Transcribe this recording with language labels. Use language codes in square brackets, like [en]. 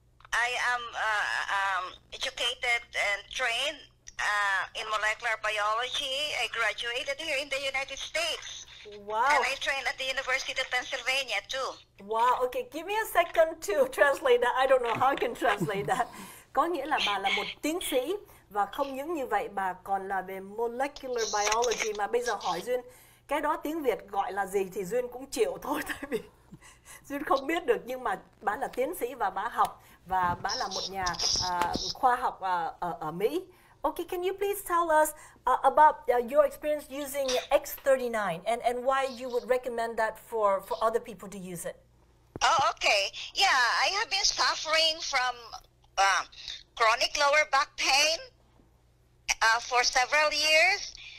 [en] I am educated and trained in molecular biology. I graduated here in the United States. Wow. And I train at the University of Pennsylvania too. Wow, okay, give me a second to translate that. I don't know how I can translate that. [vi] Có nghĩa là bà là một tiến sĩ, và không những như vậy bà còn là về molecular biology, mà bây giờ hỏi Duyên cái đó tiếng Việt gọi là gì thì Duyên cũng chịu thôi, tại vì Duyên không biết được, nhưng mà bà là tiến sĩ và bà học, và bà là một nhà khoa học ở Mỹ. [en] Okay, can you please tell us about your experience using X39 and why you would recommend that for other people to use it? Oh, okay. Yeah, I have been suffering from chronic lower back pain for several years.